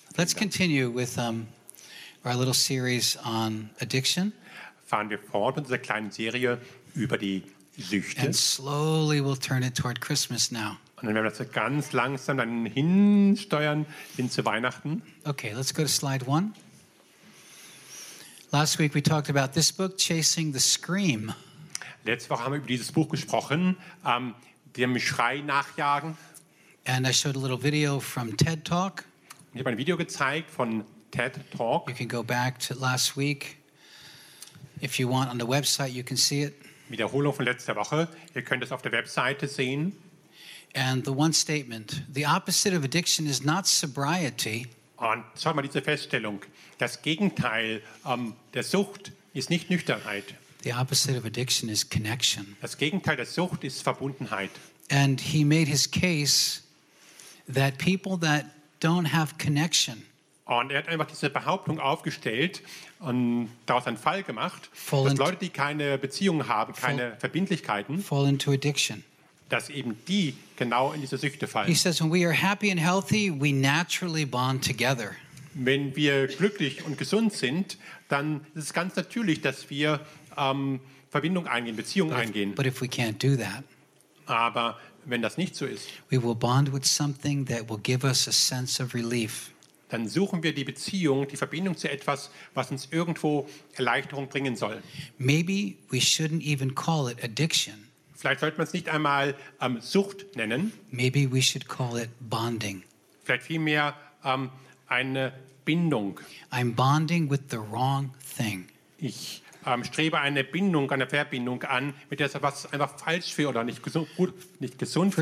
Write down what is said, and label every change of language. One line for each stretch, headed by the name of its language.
English: Let's continue with our little series on addiction.
German: Fahren wir fort mit unserer kleinen Serie über die Süchte.
English: And slowly we'll turn it toward Christmas now.
German: Und dann werden wir das ganz langsam dann hinsteuern hin zu Weihnachten.
English: Okay, let's go to slide one. Last week we talked about this book, Chasing the Scream.
German: Letzte Woche haben wir über dieses Buch gesprochen, dem Schrei nachjagen.
English: And I showed a little video from TED Talk.
German: Ich habe ein Video gezeigt von TED Talk.
English: You can go back to last week if you want on the website. You can see it.
German: Wiederholung von letzter Woche. Ihr könnt es auf der Webseite sehen.
English: And the one statement: the opposite of addiction is not sobriety.
German: Und schau mal diese Feststellung. Das Gegenteil der Sucht ist nicht Nüchternheit.
English: The opposite of addiction is connection.
German: Das Gegenteil der Sucht ist Verbundenheit.
English: And he made his case that people that don't have connection.
German: Und er hat einfach diese Behauptung aufgestellt und daraus einen Fall gemacht, dass Leute, die keine Beziehungen haben, keine Verbindlichkeiten,
English: fall into addiction.
German: Dass eben die genau in diese Süchte fallen.
English: He says, when we are happy and healthy, we naturally bond together.
German: Wenn wir glücklich und gesund sind, dann ist es ganz natürlich, dass wir Verbindung eingehen, Beziehungen eingehen.
English: But if we can't do that,
German: aber wenn das nicht so ist,
English: we will bond with something that will give us a sense of relief.
German: Dann suchen wir die Beziehung, die Verbindung zu etwas, was uns irgendwo Erleichterung bringen soll.
English: Maybe we shouldn't even call it addiction.
German: Vielleicht sollte man es nicht einmal Sucht nennen.
English: Maybe we should call it bonding.
German: Vielleicht vielmehr eine Bindung.
English: I'm bonding with the wrong thing.
German: Ich strebe eine Bindung, eine Verbindung an, mit der etwas einfach falsch für oder nicht gesund, gut, nicht gesund für